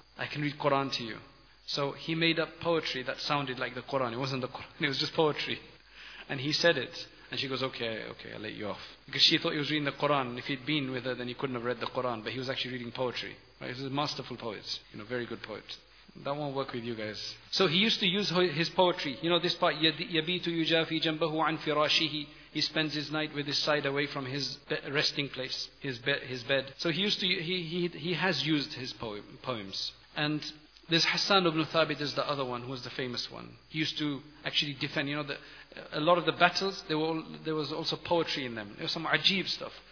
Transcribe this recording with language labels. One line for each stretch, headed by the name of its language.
English: I can read Quran to you. So he made up poetry that sounded like the Quran. It wasn't the Quran, it was just poetry. And he said it. And she goes, okay, I'll let you off. Because she thought he was reading the Quran. If he'd been with her, then he couldn't have read the Quran. But he was actually reading poetry. Right? He was a masterful poet, you know, very good poet. That won't work with you guys. So he used to use his poetry. You know this part,
Arabic: يَبِيتُ يُجَافِي جَنْبَهُ عَنْ فِرَاشِهِ.
English: He spends his night with his side away from his resting place, his bed. So he used to, he has used his poems. And this Hassan ibn Thabit is the other one, who was the famous one. He used to actually defend, you know, a lot of the battles, there was also poetry in them. There was some ajeeb stuff.